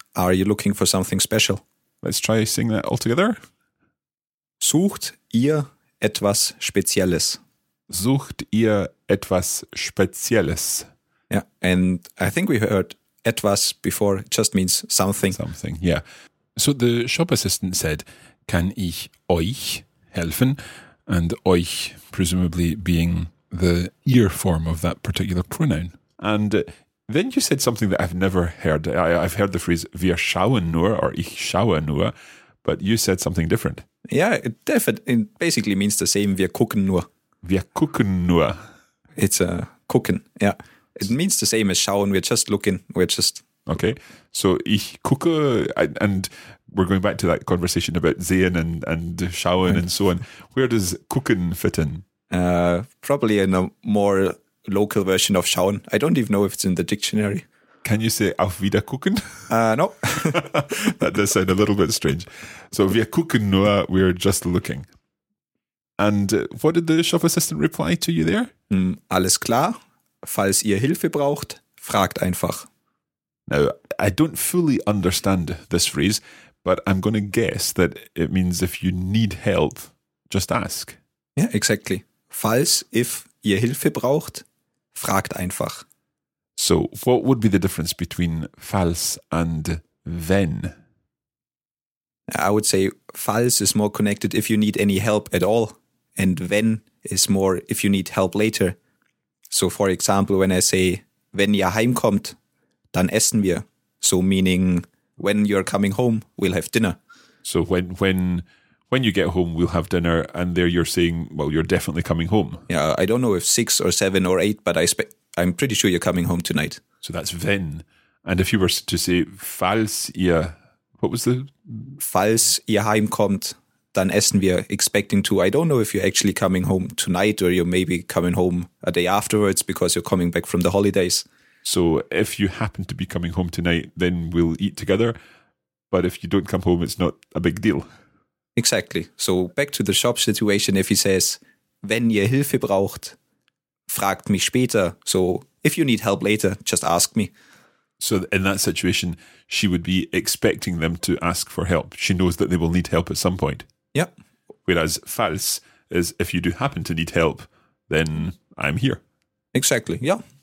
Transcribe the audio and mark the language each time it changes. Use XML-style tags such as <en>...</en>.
<en>Are you looking for something special? Let's try saying that all together.</en> <de>Sucht ihr etwas Spezielles? Sucht ihr etwas Spezielles?</de> <en>Yeah, and I think we heard etwas before, it just means something. Something, yeah. So the shop assistant said,</en> <de>kann ich euch helfen?</de> <en>And euch presumably being the ear form of that particular pronoun. And then you said something that I've never heard. I've heard the phrase</en> <de>wir schauen nur</de> <en>or</en> <de>ich schaue nur,</de> <en>but you said something different. Yeah, it basically means the same,</en> <de>wir gucken nur. Wir gucken nur.</de> <en>It's a gucken, ja. Yeah. It means the same as schauen. We're just looking. We're just... Okay, so</en> <de>ich gucke,</de> <en>and we're going back to that conversation about sehen and schauen and so on. Where does gucken fit in? Probably in a more local version of schauen. I don't even know if it's in the dictionary. Can you say</en> <de>auf wieder gucken?</de> <en>No. That does sound a little bit strange. So</en> <de>wir gucken nur,</de> <en>we're just looking. And what did the shop assistant reply to you there?</en> <de>Alles klar. Falls ihr Hilfe braucht, fragt einfach.</de> <en>Now, I don't fully understand this phrase, but I'm going to guess that it means if you need help, just ask. Yeah, exactly.</en> <de>Falls, if ihr Hilfe braucht, fragt einfach.</de> <en>So what would be the difference between falls and wenn? I would say falls is more connected if you need any help at all, and wenn is more if you need help later. So for example, when I say,</en> <de>wenn ihr heimkommt, dann essen wir.</de> <en>So meaning, when you're coming home, we'll have dinner. So when you get home, we'll have dinner. And there you're saying, well, you're definitely coming home. Yeah, I don't know if 6 or 7 or 8, but I'm pretty sure you're coming home tonight. So that's wenn. And if you were to say,</en> <de>falls ihr,</de> <en>what was the?</en> <de>Falls ihr heimkommt, dann essen wir,</de> <en>expecting to. I don't know if you're actually coming home tonight or you're maybe coming home a day afterwards because you're coming back from the holidays. So if you happen to be coming home tonight, then we'll eat together. But if you don't come home, it's not a big deal. Exactly. So back to the shop situation. If he says,</en> <de>wenn ihr Hilfe braucht, fragt mich später.</de> <en>So if you need help later, just ask me. So in that situation, she would be expecting them to ask for help. She knows that they will need help at some point. Yeah. Whereas falls is if you do happen to need help, then I'm here. Exactly. Yeah.</en>